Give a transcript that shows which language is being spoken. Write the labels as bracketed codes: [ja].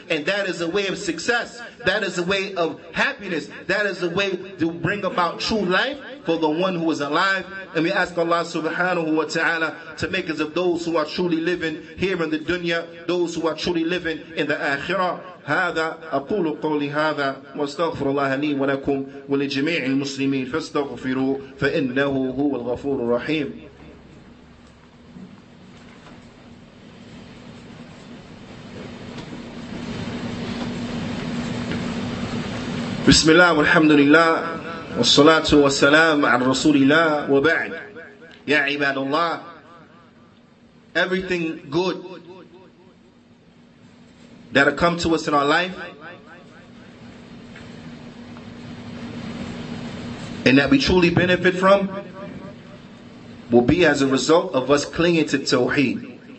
[en] And that is a way of success. That is a way of happiness. That is a way to bring about true life for the one who is alive. And we ask Allah subhanahu wa ta'ala to make us of those who are truly living here in the dunya, those who are truly living in the akhirah. [ar] هذا أقول قولي هذا واستغفر الله لي ولكم ولجميع المسلمين فاستغفروا فإنه هو الغفور الرحيم. بسم الله والحمد لله والصلاة والسلام على رسول الله وبعد. يا عباد الله, [en] everything good that have come to us in our life, and that we truly benefit from, will be as a result of us clinging to Tawheed.